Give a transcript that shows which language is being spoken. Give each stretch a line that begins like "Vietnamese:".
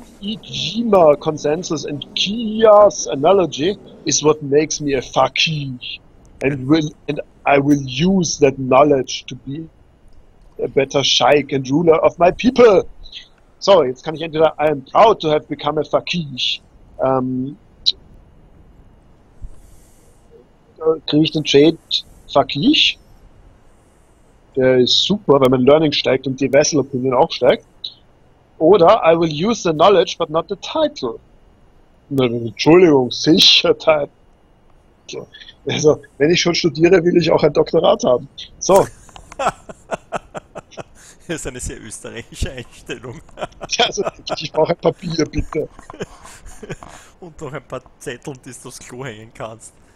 English: Ijima consensus and Kiya's analogy is what makes me a faqih. And I will use that knowledge to be a better Sheikh and ruler of my people.
German: So, jetzt kann ich entweder
English: I am proud to have become a faqih.
German: Kriege ich den Trade faqih? Der ist super, wenn mein Learning steigt und die Vessel Opinion auch steigt.
English: Oder I will use the knowledge, but not the title.
German: Entschuldigung, sicher title. Also, wenn ich schon studiere, will ich auch ein Doktorat haben. So. Das ist eine sehr österreichische Einstellung. Also, ich brauche ein Papier, bitte. Und noch ein paar Zettel, die du aufs Klo hängen kannst.